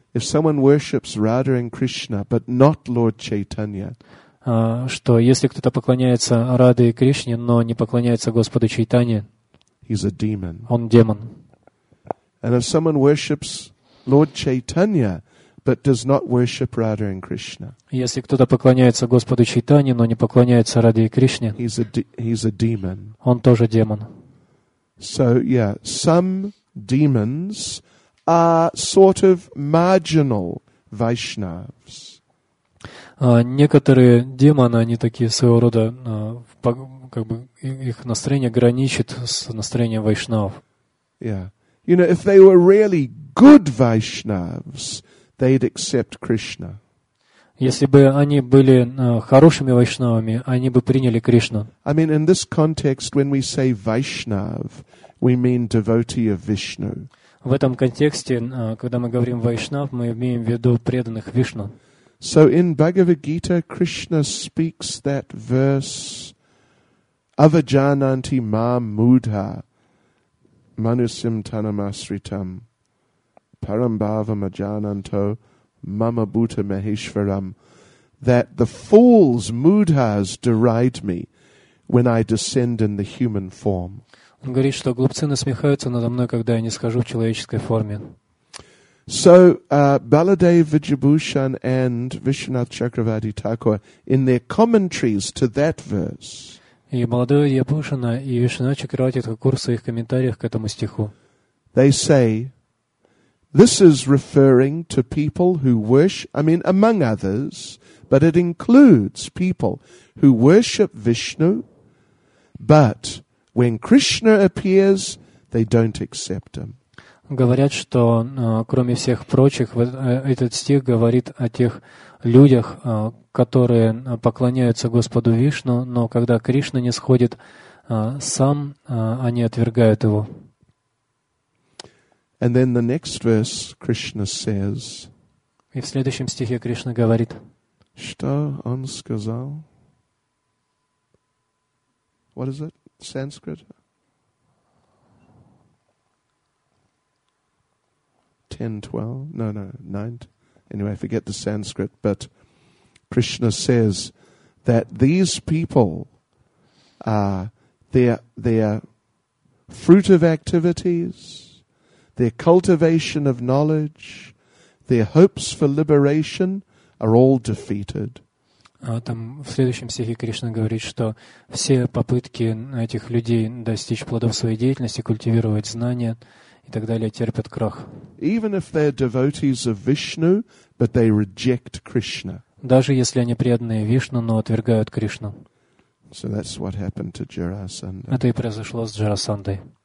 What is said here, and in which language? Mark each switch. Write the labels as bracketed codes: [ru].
[en] If someone worships Radha and Krishna, but not Lord Chaitanya, [ru] что если кто-то поклоняется Раде и Кришне, но не поклоняется Господу Чайтанье, [en] he's a demon. [ru] Он демон. [en] And if someone worships Lord Chaitanya, but does not worship Radha and Krishna. [ru] Если кто-то поклоняется Господу Чайтанье, но не поклоняется Раде и Кришне, [en] he's a demon. [ru] Он тоже демон. [en] So yeah, some demons are sort of marginal Vaishnavas. [ru] Некоторые демоны, они такие своего рода, как бы их настроение граничит с настроением вайшнав. [en] Yeah, you know, if they were really good Vaishnavas, they'd accept Krishna. [ru] Если бы они были хорошими вайшнавами, они бы приняли Кришну. [en] I mean, in this context, when we say Vaishnav, we mean devotee of Vishnu. [ru] В этом контексте, когда мы говорим вайшнав, мы имеем в виду преданных Вишну. [en] So in Bhagavad Gita, Krishna speaks that verse, [sa] "Avajananti ma mudha manusim tanamasritam." Parambhava majananto mama bhuta maheshwaram, [en] that the fools, mudhas, deride me when I descend in the human form. [ru] Он говорит, что глупцы насмехаются надо мной, когда я не схожу в человеческой форме. [en] So, Baladev Vijayabhushan and Vishwanath Chakravarti Thakur, in their commentaries to that verse, [ru] и Баладева Вижабушана и Вишванат Чакравати Такур в своих комментариях к этому стиху, [en] they say, this is referring to people who worship, I mean, among others, but it includes people who worship Vishnu, but when Krishna appears, they don't accept him. [ru] Говорят, что кроме всех прочих, этот стих говорит о тех людях, которые поклоняются Господу Вишну, но когда Кришна не сходит сам, они отвергают его. [en] And then the next verse Krishna says. [ru] И в следующем стихе Кришна говорит. Что он сказал? [en] What is it? Sanskrit? Anyway, I forget the Sanskrit, but Krishna says that these people their fruit of activities, their cultivation of knowledge, their hopes for liberation, are all defeated. [ru] Там в следующем стихе Кришна говорит, что все попытки этих людей достичь плодов своей деятельности, культивировать знания и так далее, терпят крах. [en] Even if they're devotees of Vishnu, but they reject Krishna. [ru] Даже если они преданные Вишну, но отвергают Кришну. [en] So that's what happened to Jarasandha. [ru] Это и произошло с Джарасандой.